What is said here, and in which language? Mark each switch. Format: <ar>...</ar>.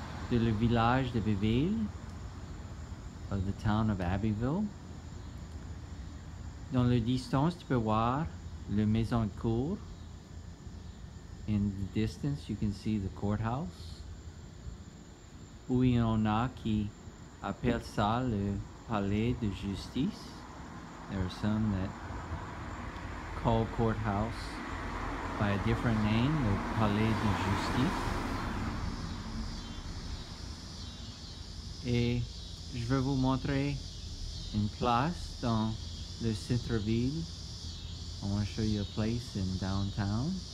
<fr>De le village de Abbeville,</fr> <en>of the town of Abbeville.</en> <fr>Dans la distance, tu peux voir le maison de cour.</fr> <en>In the distance, you can see the courthouse.</en> <fr>Où il y en a qui appellent ça le palais de justice.</fr> <en>There are some that call courthouse by a different name, the palais de justice.</en> <fr>Et je vais vous montrer une place dans le centre-ville.</fr> <en>I want to show you a place in downtown.</en>